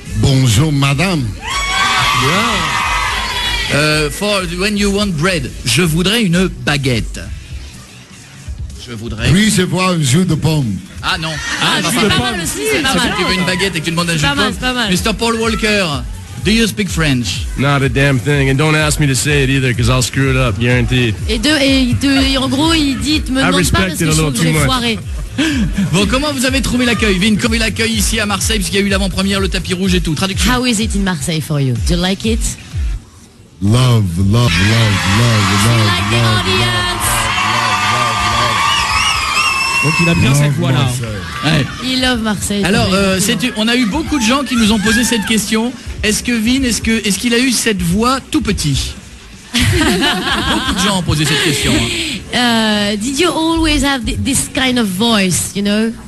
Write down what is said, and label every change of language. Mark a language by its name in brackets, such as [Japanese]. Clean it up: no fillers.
[French] Bonjour madame. [English] Yeah. For when you want bread, [French] je voudrais une baguette. Je voudrais. Oui, c'est pour un jus de pomme. Ah non. Ah, c'est pas mal aussi. Tu veux une baguette et que tu demandes un jus de pomme. C'est pas mal. [English] Mr. Paul Walker. Do you speak French? Not a damn thing. And don't ask me to say it either, because I'll screw it up, guaranteed. [French] Et en gros, il me demande pas parce que je suis foiré. Bon, comment vous avez trouvé l'accueil, Vin? Comment est l'accueil ici à Marseille, puisqu'il y a eu l'avant-première, le tapis rouge et tout. Traduction. [English] How is it in Marseille for you? Do you like it? Love, love, love, love, love, like love, the audience. Love, love, [French] donc il a bien cette voix-là. Il love Marseille. Alors, on a eu beaucoup de gens qui nous ont posé cette question. Est-ce que Vin, est-ce qu'il a eu cette voix tout petit? Beaucoup de gens ont posé cette question. [English] Did you always have this kind of voice, you know?